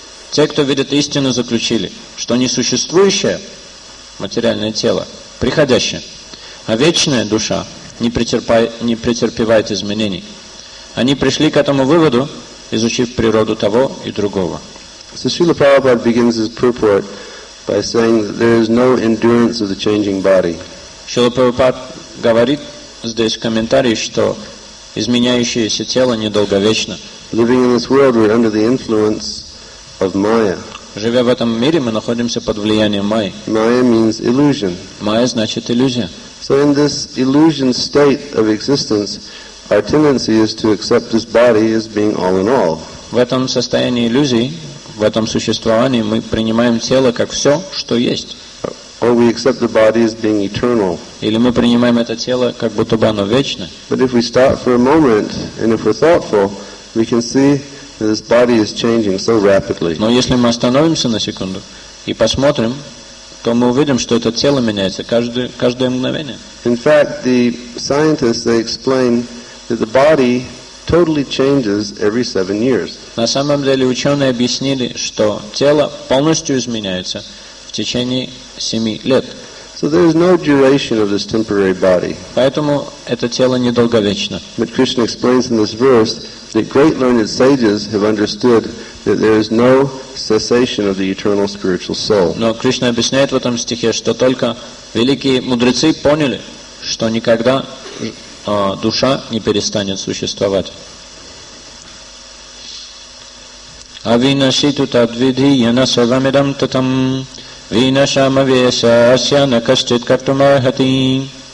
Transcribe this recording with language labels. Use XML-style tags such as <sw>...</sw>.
<ru>Те, кто видят истину, заключили, что несуществующее материальное тело приходящее, а вечная душа не претерпевает изменений. Они пришли к этому выводу, изучив природу того и другого.</ru> <en>So Srila Prabhupada begins his purport by saying that there is no endurance of the changing body.</en> <ru>Srila Prabhupada говорит здесь в комментарии, что изменяющееся тело недолговечно.</ru> <en>Living in this world, we're under the influence of Maya.</en> <ru>Живя в этом мире, мы находимся под влиянием Майи.</ru> <en>Maya means illusion.</en> <ru>Майя значит иллюзия.</ru> <en>So in this illusion state of existence, our tendency is to accept this body as being all in all.</en> <ru>В этом состоянии иллюзий, в этом существовании мы принимаем тело как все, что есть.</ru> <en>Or we accept the body as being eternal.</en> <ru>Или мы принимаем это тело как будто бы оно вечно.</ru> <en>But if we stop for a moment and if we're thoughtful, we can see that this body is changing so rapidly.</en> <ru>Но если мы остановимся на секунду и посмотрим, то мы увидим, что это тело меняется каждое мгновение.</ru> <en>In fact, the scientists, they explain that the body totally changes every 7 years.</en> <ru>На самом деле ученые объяснили, что тело полностью изменяется в течение 7 лет.</ru> <en>So there is no duration of this temporary body.</en> <ru>Поэтому это тело недолговечно.</ru> <en>But Krishna explains in this verse that great learned sages have understood that there is no cessation of the eternal spiritual soul.</en> <ru>Но Кришна объясняет в этом стихе, что только великие мудрецы поняли, что никогда душа не перестанет существовать.</ru> <sa>Авинашиту тадвиди яна савамидам татам винашама веса ася накашчит картумархати.</sa>